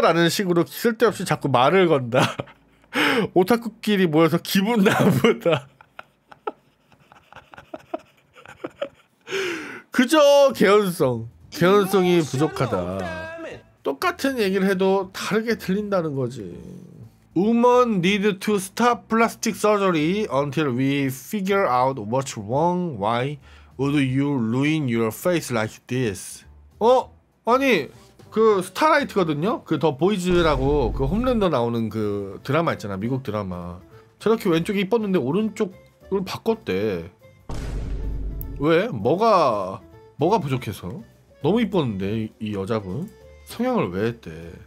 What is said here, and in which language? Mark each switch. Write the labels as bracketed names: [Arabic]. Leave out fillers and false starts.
[Korean] 라는 식으로 쓸데없이 자꾸 말을 건다. 오타쿠끼리 모여서 기분 나쁘다. 그저 개연성. 개연성이 부족하다. 똑같은 얘기를 해도 다르게 들린다는 거지. [English] Women need to stop plastic surgery until we figure out what's wrong. Why would you ruin your face like this? [Korean] 아니 그 스타라이트거든요. 그 더 보이즈라고 그 홈랜더 나오는 그 드라마 있잖아. 미국 드라마. 저렇게 왼쪽이 이뻤는데 오른쪽을 바꿨대. 왜? 뭐가 부족해서? 너무 이뻤는데 이 여자분. 성형을 왜 했대?